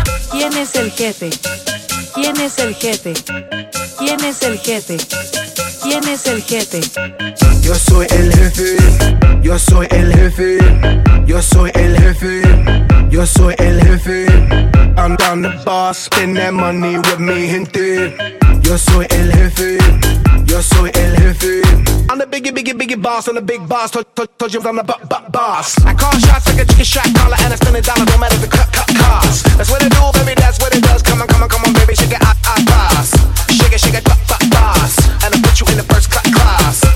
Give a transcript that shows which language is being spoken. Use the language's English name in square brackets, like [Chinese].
[Spanish] ¿Quién es el jefe? ¿Quién es el jefe? ¿quién es el jefe? Yo soy el jefe, yo soy el jefe, yo soy el jefe, yo soy el jefe. [English] I'm the boss, spend that money with me, gente. [Spanish] Yo soy el jefe, yo soy el jefe. [English] I'm the biggie, biggie, biggie boss, I'm the big boss. Told you I'm the boss. I call shots like a chicken shot caller, and I spend a dollar, don't matter the cut cost. That's what it do, baby, that's what it does. Come on, come on, come on, baby, shake it, I boss. Shake it, shake it, boss. And I put you in the first class.